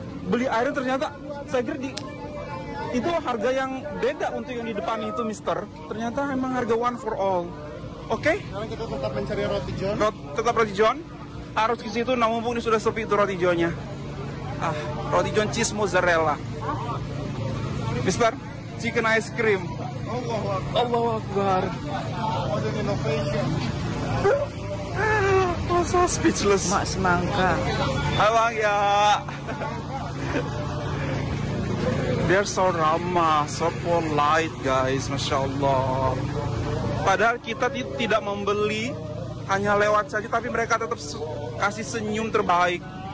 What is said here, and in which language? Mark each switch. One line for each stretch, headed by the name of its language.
Indonesian: Beli air ternyata saya kira itu harga yang beda untuk yang di depan itu, Mister. Ternyata emang harga
English: one for all.
Indonesian: Oke? Okay? Sekarang kita tetap mencari roti John. Tetap roti John. Harus ke situ, namun ini sudah sepi itu roti John-nya. Ah, roti John cheese mozzarella.
English: Mister, chicken ice cream.
Arabic: Allahu Akbar. Allahu Akbar.
English: I'm so speechless.
Indonesian: Mak semangka. Abang ya.
English: They're so ramah, so polite guys, masya Allah.
Indonesian: Padahal kita tidak membeli, hanya lewat saja, tapi mereka tetap kasih senyum terbaik.